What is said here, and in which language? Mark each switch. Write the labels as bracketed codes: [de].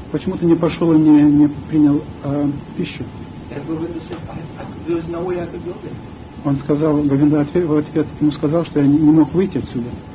[ru] Почему ты не пошел и не принял пищу? [en] And Govinda said, "There's no way I could go there." [ru] Он сказал, Говинда в ответ ему сказал, что я не мог выйти отсюда.